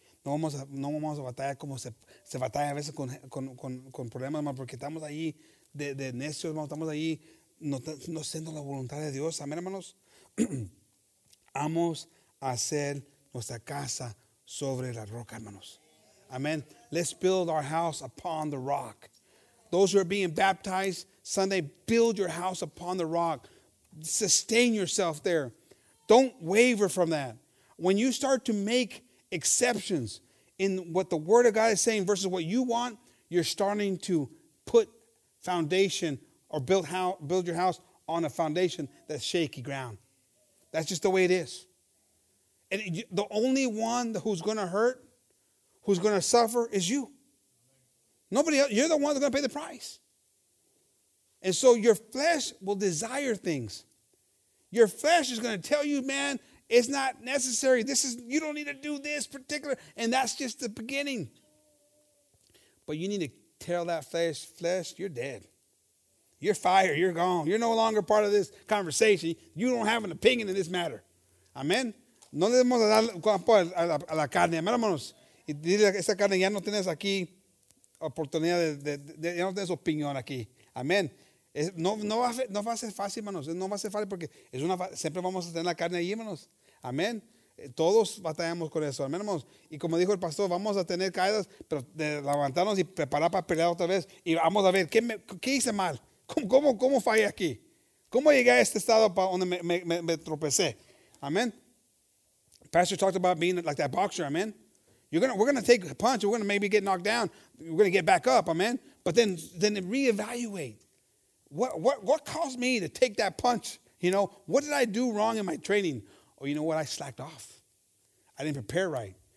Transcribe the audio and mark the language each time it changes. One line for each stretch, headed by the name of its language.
Spanish: No vamos a batallar como se batalla a veces con problemas, hermano, porque estamos ahí de necios, hermano. Estamos ahí no siendo la voluntad de Dios. Amén, hermanos. Vamos a hacer nuestra casa sobre la roca, hermanos.
English: Amén. Let's build our house upon the rock. Those who are being baptized Sunday, build your house upon the rock. Sustain yourself there. Don't waver from that. When you start to make exceptions in what the word of God is saying versus what you want, you're starting to put foundation or build your house on a foundation that's shaky ground. That's just the way it is. And the only one who's going to hurt, who's going to suffer is you. Nobody else. You're the one that's going to pay the price. And so your flesh will desire things. Your flesh is going to tell you, man, it's not necessary. You don't need to do this particular, and that's just the beginning. But you need to tell that flesh, you're dead. You're fired. You're gone. You're no longer part of this conversation. You don't have an opinion in this matter. Amen.
Spanish: No le demos a dar cuerpo a la carne. Amén, hermanos. Y dile que esa carne ya no tienes aquí oportunidad de ya no tienes opinión aquí. Amén. No va a ser fácil, hermanos. No va a ser fácil porque siempre vamos a tener la carne ahí, hermanos. Amén. Todos batallamos con eso, hermanos. Y como dijo el pastor, vamos a tener caídas, pero de levantarnos y preparar para pelear otra vez. Y vamos a ver, ¿qué hice mal? ¿Cómo fallé aquí? ¿Cómo llegué a este estado para donde me tropecé? Amén.
English: Pastor talked about being like that boxer, amén. We're going to take a punch. We're going to maybe get knocked down. We're going to get back up, amén. But then reevaluate. What caused me to take that punch? You know, what did I do wrong in my training? Oh, you know what? I slacked off. I didn't prepare right.